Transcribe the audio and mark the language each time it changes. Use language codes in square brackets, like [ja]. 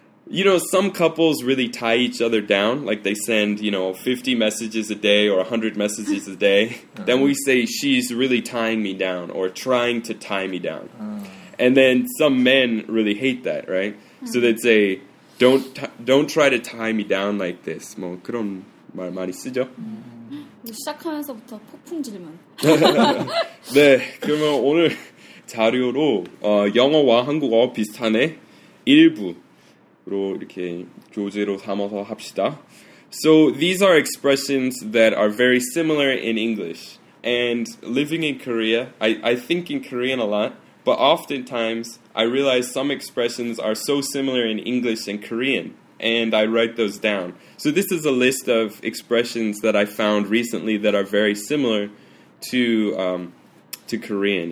[en] You know, some couples really tie each other down. Like they send, you know, 50 messages a day or 100 messages a day. Then we say she's really tying me down or trying to tie me down. And then some men really hate that, right? So they'd say, don't try to tie me down like this. [ko] 뭐 그런 말 많이 쓰죠. 시작하면서부터 폭풍 질문. 네, 그러면 오늘 자료로 영어와 한국어 비슷하네 일부로 이렇게 교재로 삼아서 합시다. [en] So these are expressions that are very similar in English. And living in Korea, I think in Korean a lot, but oftentimes I realize some expressions are so similar in English and Korean. And I write those down. So this is a list of expressions that I found recently that are very similar to Korean.